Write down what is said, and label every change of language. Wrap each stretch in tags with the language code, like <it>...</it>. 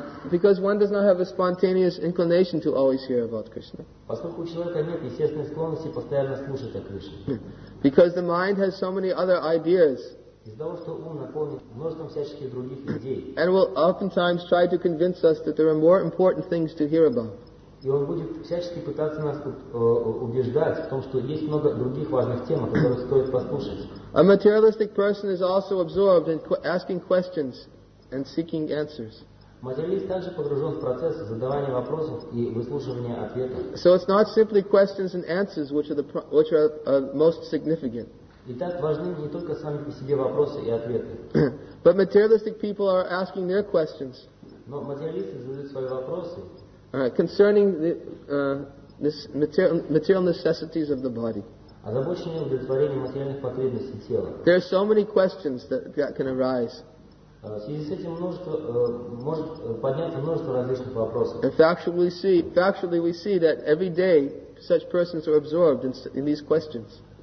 <en>Because one does not have a spontaneous inclination to always hear about Krishna. Because the mind has so many other ideas and will oftentimes try to convince us that there are more important things to hear about.</en> <ru>И он будет всячески пытаться нас убеждать в том, что есть много других важных тем, о которых стоит послушать.</ru> <en>A materialistic person is also absorbed in asking questions and seeking answers.</en> <ru>Материалист также погружен в процесс задавания вопросов и выслушивания ответов.</ru> <en>So it's not simply questions and answers which are most significant.</en> <ru>Итак, важны не только сами по себе вопросы и ответы.</ru> <en>But materialistic people are asking their questions.</en> <ru>Но материалисты задают свои вопросы.</ru> <en>Concerning the material necessities of the body.</en> <ru>Озабоченные удовлетворением материальных потребностей тела.</ru> <en>There are so many questions that can arise. And factually we see that every day such persons are absorbed in these questions.</en>